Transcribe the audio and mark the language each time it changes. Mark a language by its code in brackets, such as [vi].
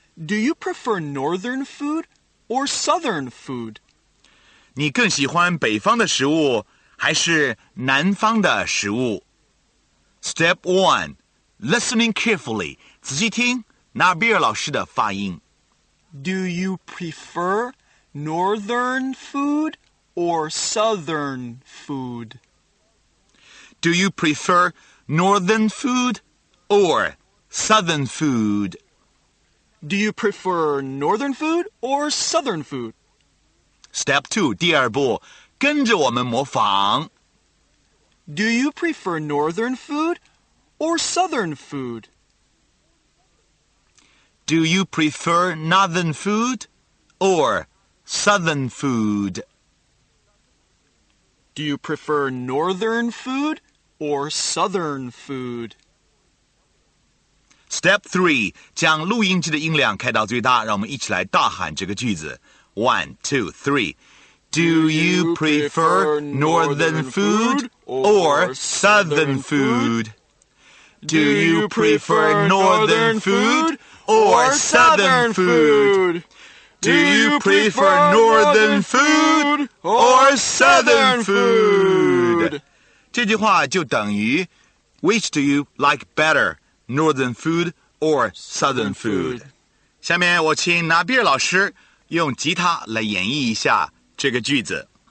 [en] Do you prefer northern food or southern food? [zh] 你更喜欢北方的食物还是南方的食物 [en] ?Step 1. Listening carefully. [zh] 仔细听纳比尔老师的发音。 [en] Do you prefer northern food or southern food? Do you prefer northern food or southern food? Do you prefer northern food or southern food? Step 2, [zh] 第二步,跟着我们模仿。 [en] Do you prefer northern food or southern food? Do you prefer northern food or southern food? Do you prefer northern food or southern food? Step 3, [zh] 将录音机的音量开到最大,让我们一起来大喊这个句子。 [en] One, two, three. Do you prefer northern food or southern food? Do you prefer northern food or southern food? Do you prefer northern food or southern food? [zh] 这句话就等于 [en] Which do you like better, northern food or southern food? [zh] 下面我请纳比尔老师用吉他来演绎一下这个句子。